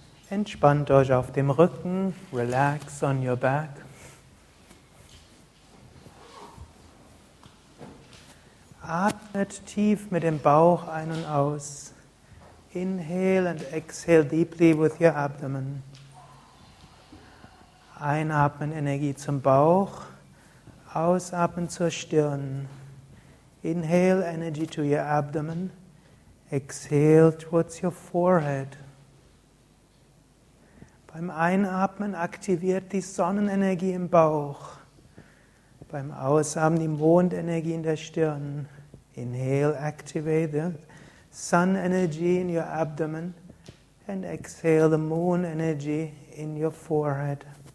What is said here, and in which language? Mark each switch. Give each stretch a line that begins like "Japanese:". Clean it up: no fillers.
German: Entspannt euch auf dem Rücken,
English: relax on your back.
German: Atmet tief mit dem Bauch ein und aus.
English: Inhale and exhale deeply with your abdomen.
German: Einatmen Energie zum Bauch, ausatmen zur Stirn.
English: Inhale energy to your abdomen, exhale towards your forehead.
German: Beim Einatmen aktiviert die Sonnenenergie im Bauch. Beim Ausatmen die Mondenergie in der Stirn.
English: Inhale, activate the sun energy in your abdomen and exhale the moon energy in your forehead.